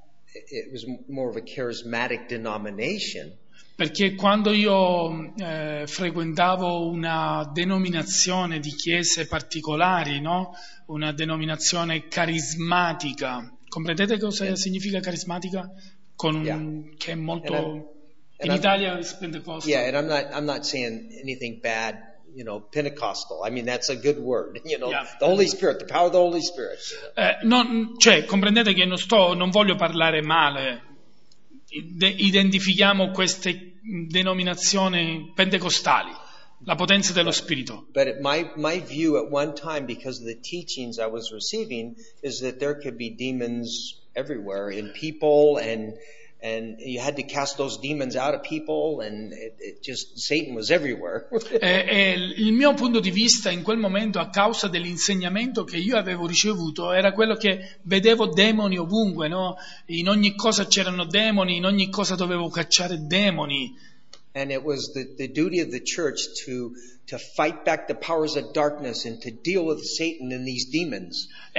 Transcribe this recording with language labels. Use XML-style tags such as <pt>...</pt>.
<en>It was more of a charismatic denomination.</en> <it>Perché quando io frequentavo una denominazione di chiese particolari, no? Una denominazione carismatica. Comprendete cosa significa carismatica? Con un che è molto in Italia spende costo.</it> <en>Yeah, and I'm not saying anything bad. You know, Pentecostal. I mean, that's a good word. You know, the Holy Spirit, the power of the Holy Spirit.</en> <it>Cioè, comprendete che non voglio parlare male. Identifichiamo queste denominazioni pentecostali, la potenza dello Spirito.</it> <en>But my view at one time, because of the teachings I was receiving, is that there could be demons everywhere in people, and you had to cast those demons out of people, and it just Satan was everywhere.</en> <it>Il mio punto di vista in quel momento, a causa dell'insegnamento che io avevo ricevuto, era quello che vedevo demoni ovunque, no? In ogni cosa c'erano demoni, in ogni cosa dovevo cacciare demoni.</it> <en>And it was the duty of the church to fight back the powers of darkness and to deal with Satan and these demons.</en>